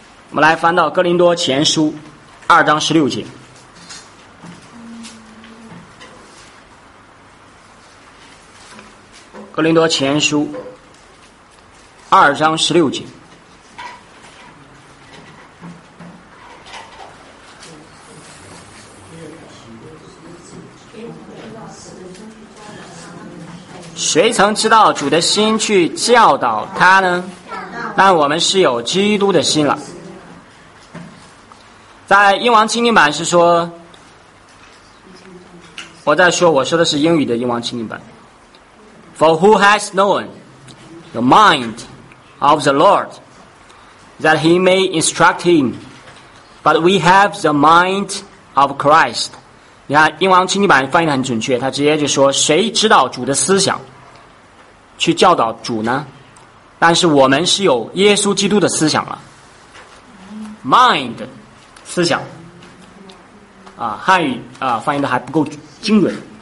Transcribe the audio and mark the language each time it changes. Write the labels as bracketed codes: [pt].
[zh] 我们来翻到哥林多前书二章十六节，哥林多前书二章十六节，谁曾知道主的心去教导他呢？那我们是有基督的心了。在英王钦定版是说，我在说，我说的是英语的英王钦定版。 [en] For who has known the mind of the Lord that he may instruct him? But we have the mind of Christ. [zh] 你看，英王钦定版翻译的很准确，他直接就说：谁知道主的思想？去教导主呢？但是我们是有耶稣基督的思想了 ，mind 思想啊，汉语啊翻译的还不够精准。